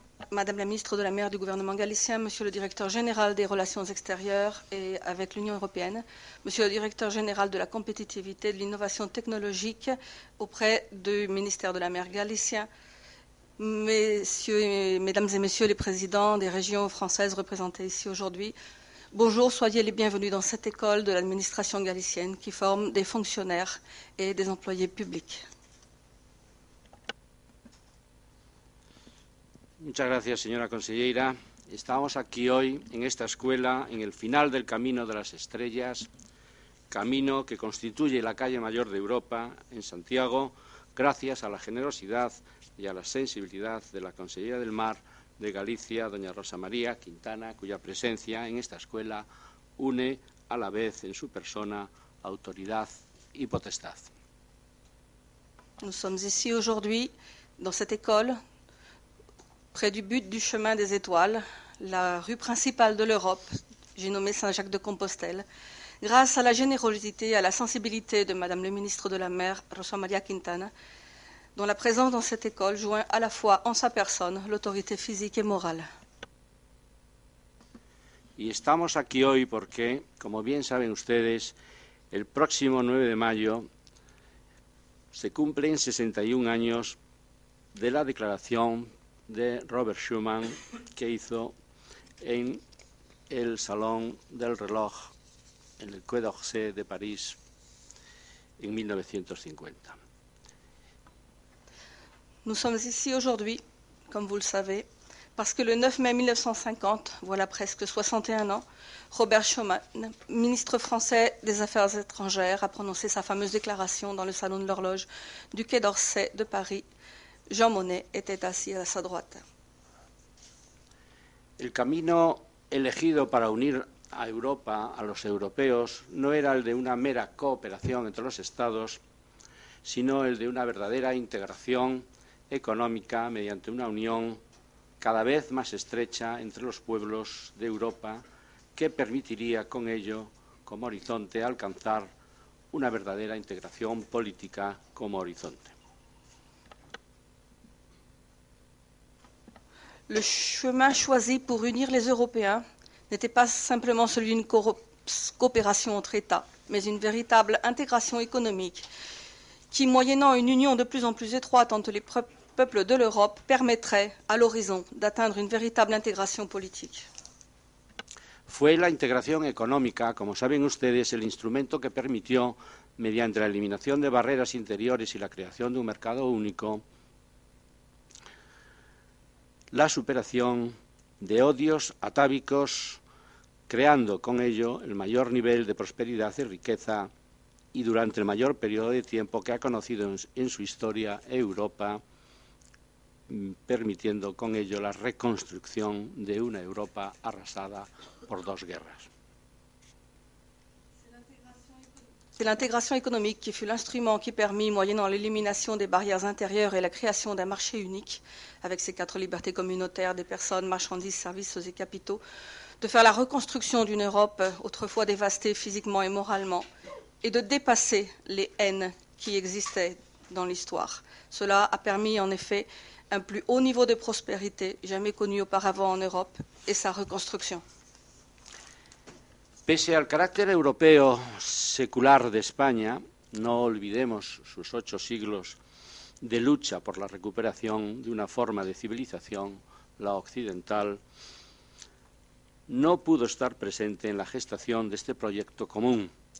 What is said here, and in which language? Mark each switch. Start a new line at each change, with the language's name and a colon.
French: Madame la ministre de la Mer du gouvernement galicien, monsieur le directeur général des relations extérieures et avec l'Union européenne, monsieur le directeur général de la compétitivité et de l'innovation technologique auprès du ministère de la Mer galicien, messieurs, mesdames et messieurs les présidents des régions françaises représentées ici aujourd'hui, bonjour, soyez les bienvenus dans cette école de l'administration galicienne qui forme des fonctionnaires et des employés publics.
Spanish: Muchas gracias, señora consejera. Estamos aquí hoy en esta escuela, en el final del Camino de las Estrellas, camino que constituye la calle mayor de Europa en Santiago, gracias a la generosidad y a la sensibilidad de la consejera del Mar de Galicia, doña Rosa María Quintana, cuya presencia en esta escuela une a la vez en su persona autoridad y potestad.
French: Nous sommes ici aujourd'hui dans cette école près du but du chemin des étoiles, la rue principale de l'Europe, j'ai nommé Saint-Jacques de Compostelle. Grâce à la générosité et à la sensibilité de madame le ministre de la Mer Rosa María Quintana, dont la présence dans cette école joint à la fois en sa personne l'autorité physique et morale.
Spanish: Y estamos aquí hoy porque, como bien saben ustedes, el próximo 9 de mayo se cumplen 61 años de la declaración de Robert Schuman que hizo en el Salón del Reloj, en el Quai d'Orsay de París, en 1950.
French: Nous sommes ici aujourd'hui, comme vous le savez, parce que le 9 mai 1950, voilà presque 61 ans, Robert Schuman, ministre français des Affaires étrangères, a prononcé sa fameuse déclaration dans le salon de l'horloge du Quai d'Orsay de Paris. Jean Monnet était assis à sa droite.
Spanish: El camino elegido para unir a Europa a los europeos no era el de una mera cooperación entre los estados, sino el de una verdadera integración económica mediante una unión cada vez más estrecha entre los pueblos de Europa que permitiría con ello, como horizonte, alcanzar una verdadera integración política como horizonte.
French: Le chemin choisi pour unir les Européens n'était pas simplement celui d'une coopération entre États, mais une véritable intégration économique qui, moyennant une union de plus en plus étroite entre les peuple de l'Europe permettrait à l'horizon d'atteindre une véritable intégration politique.
Spanish: fue la integración económica, como saben ustedes, el instrumento que permitió, mediante la eliminación de barreras interiores y la creación de un mercado único, la superación de odios atávicos, creando con ello el mayor nivel de prosperidad y riqueza y durante el mayor periodo de tiempo que ha conocido en su historia Europa, permitiendo con ello la reconstrucción de una Europa arrasada por dos guerras.
French: C'est l'intégration économique qui fut l'instrument qui permit, moyennant l'élimination des barrières intérieures et la création d'un marché unique, avec ses quatre libertés communautaires des personnes, marchandises, services et capitaux, de faire la reconstruction d'une Europe autrefois dévastée physiquement et moralement, et de dépasser les haines qui existaient dans l'histoire. Cela a permis en effet un plus haut niveau de prospérité jamais connu auparavant en Europe et sa reconstruction.
Spanish: Pese al carácter europeo secular de España, no olvidemos sus 8 siglos de lucha por la recuperación de una forma de civilización, la occidental, no pudo estar presente en la gestación de este proyecto común.